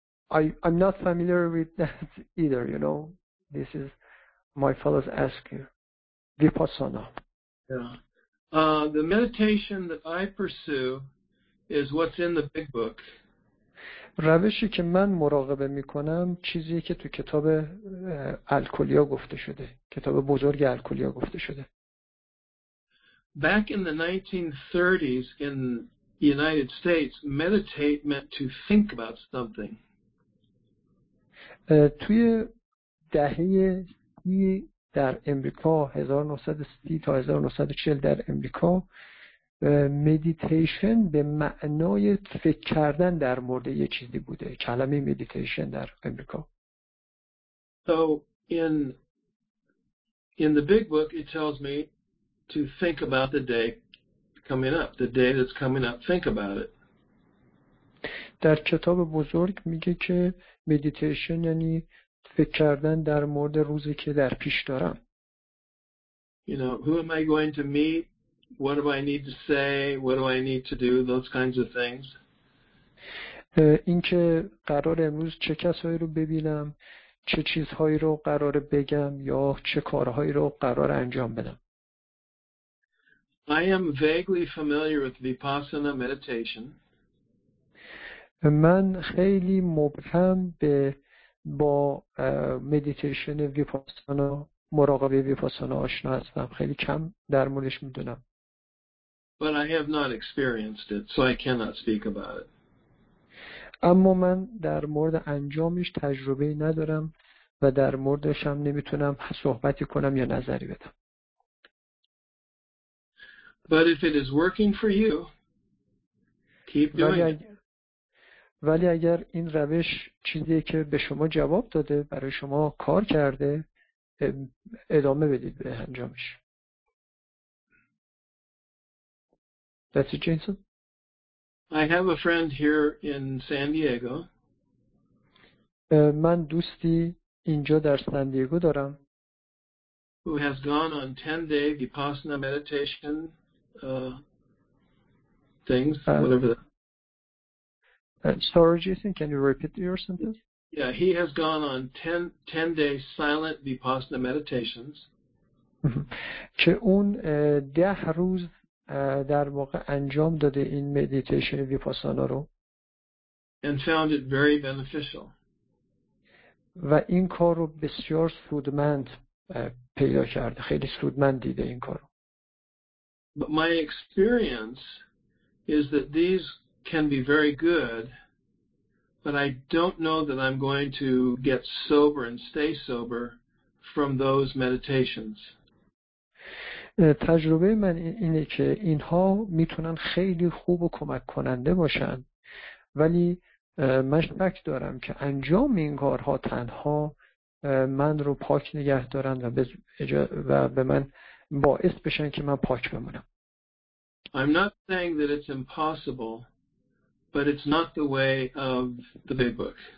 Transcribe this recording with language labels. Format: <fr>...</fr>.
<en>I'm not familiar with that either, you know. This is my fellow's asking. Vipassana. Yeah. The meditation that I pursue is what's in the big book.</en> <fa>روشی که من مراقبه میکنم چیزیه که تو کتاب الکولیا گفته شده. کتاب بزرگ الکولیا گفته شده.</fa> <en>Back in the 1930s in the United States, meditate meant to think about something.</en> <fa>توی دهه 30 در امریکا، 1930 تا 1940 در امریکا، مدیتیشن به معنای فکر کردن در مورد یه چیزی بوده. کلمه مدیتیشن در امریکا.</fa> <en>So in the big book it tells me to think about the day coming up, the day that's coming up, think about it.</en> <fa>در کتاب بزرگ میگه که مدیتیشن یعنی فکر کردن در مورد روزی که در پیش دارم.</fa> <en>You know, who am I going to meet? What do I need to say? What do I need to do? Those kinds of things.</en> <fa>این که قرار امروز چه کسایی رو ببینم، چه چیزهایی رو قرار بگم یا چه کارهایی رو قرار انجام بدم.</fa> <en>I am vaguely familiar with Vipassana meditation.</en> <fa>من خیلی مبهم به با مدیتیشن ویپاسانا، مراقبه ویپاسانا آشنا هستم. خیلی کم در موردش میدونم.</fa> <en>But I have not experienced it, so I cannot speak about it.</en> <fa>اما من در مورد انجامش تجربه ندارم و در موردش هم نمیتونم صحبتی کنم یا نظری بدم.</fa> <en>But if it is working for you, keep doing it.</en> <fa>ولی اگر این روش چیزی که به شما جواب داده، برای شما کار کرده، ادامه بدید به انجامش.</fa> <en>That's it, Jason. I have a friend here in San Diego. من دوستی اینجا در سان دیگو دارم. Who has gone on 10-day Vipassana meditation things, whatever that. Sorry, Jason, can you repeat your sentence? Yeah, he has gone on 10-day silent Vipassana meditations.</en> <fa>که اون 10 روز در واقع انجام داده این مدیتیشن ویپاسانا رو.</fa> <en>And found it very beneficial.</en> <fa>و این کار رو بسیار سودمند پیدا کرده. خیلی سودمند دیده این کار رو.</fa> <en>But my experience is that these can be very good, but I don't know that I'm going to get sober and stay sober from those meditations.</en> <fa>تجربه من اینه که اینها میتونن خیلی خوب و کمک کننده باشن، ولی من شک دارم که انجام این کارها تنها من رو پاک نگه دارن و به من باعث بشن که من پاک بمونم.</fa> <en>I'm not saying that it's impossible, but it's not the way of the big book.</en>